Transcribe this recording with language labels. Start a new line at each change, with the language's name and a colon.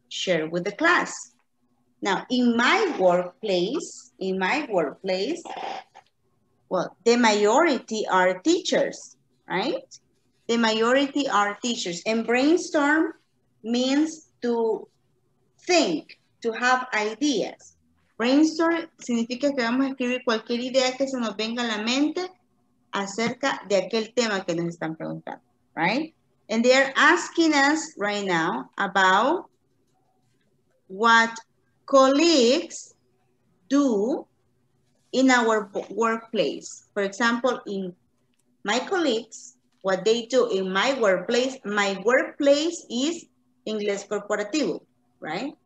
English: Share with the class. Now, in my workplace, well, the majority are teachers, right? The majority are teachers. And brainstorm means to think, to have ideas.
Spanish: Brainstorm significa que vamos a escribir cualquier idea que se nos venga a la mente acerca de aquel tema que nos están preguntando,
English: right? And they are asking us right now about what colleagues do in our workplace. For example, in my colleagues, what they do in my workplace is Inglés Corporativo, right?